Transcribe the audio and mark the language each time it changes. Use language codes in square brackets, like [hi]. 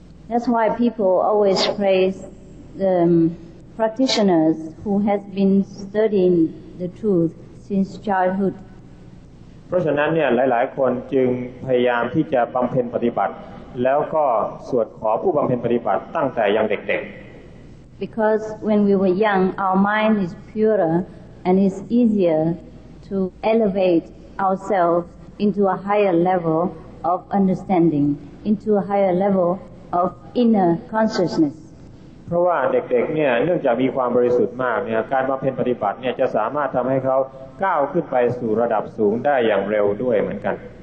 [en] That's why people always praise the practitioners who has been studying the truth since childhood [th] เพราะฉะนั้นเนี่ยหลายๆคนจึงพยายามที่จะบำเพ็ญปฏิบัติแล้วก็สวดขอผู้บำเพ็ญปฏิบัติตั้งแต่ยังเด็ก [en] ๆ Because when we were young our mind is purer and it's easierTo elevate ourselves into a higher level of understanding, into a higher level of inner consciousness. [th] เพราะว่าเด็กๆเนี่ยเนื่องจากมีความบริสุทธิ์มากเนี่ยการบำเพ็ญปฏิบัติเนี่ยจะสามารถทำให้เขาก้าวขึ้นไปสู่ระดับสูงได้อย่างเร็วด้วยเหมือนกัน